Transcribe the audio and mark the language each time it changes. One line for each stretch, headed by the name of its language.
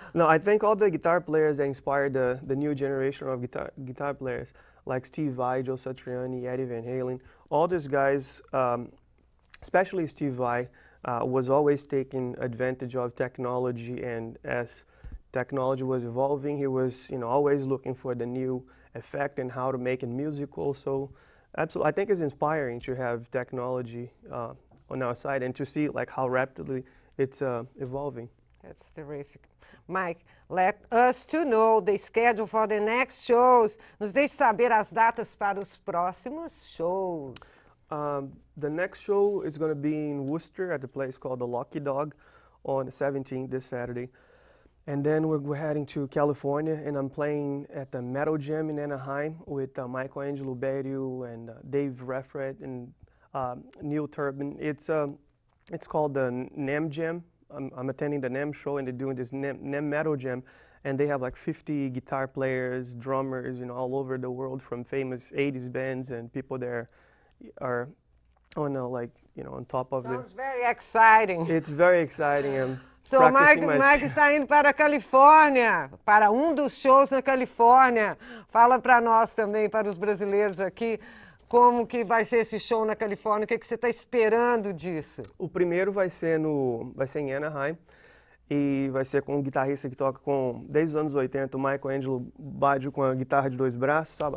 English: No, I think all the guitar players that inspired the new generation of guitar players, like Steve Vai, Joe Satriani, Eddie Van Halen, all these guys, especially Steve Vai, was always taking advantage of technology, and as technology was evolving, he was, you know, always looking for the new effect and how to make it musical. So, absolutely, I think it's inspiring to have technology on our side and to see like how rapidly it's evolving. That's terrific, Mike. Let us to know the schedule for the next shows.
Portuguese: Nos deixe saber as datas para os próximos shows.
English: The next show is going to be in Worcester at the place called the Lucky Dog on the 17th, this Saturday. And then we're heading to California, and I'm playing at the Metal Jam in Anaheim with Michelangelo Berio and Dave Refret and Neil Turbin. It's called the NAMM Jam. I'm attending the NAMM show, and they're doing this NAMM Metal Jam. And they have like 50 guitar players, drummers, you know, all over the world, from famous 80s bands, and people there are, oh no, like, you know, on top of this. Sounds very exciting. It's very exciting. I'm
Portuguese: so Mike está indo para a Califórnia, para um dos shows na Califórnia. Fala para nós também, para os brasileiros aqui, como que vai ser esse show na Califórnia? O que, que você está esperando disso? O primeiro vai ser em Anaheim, e vai ser com um guitarrista que toca com desde os anos 80, o Michelangelo Baggio, com a guitarra de dois braços, sabe?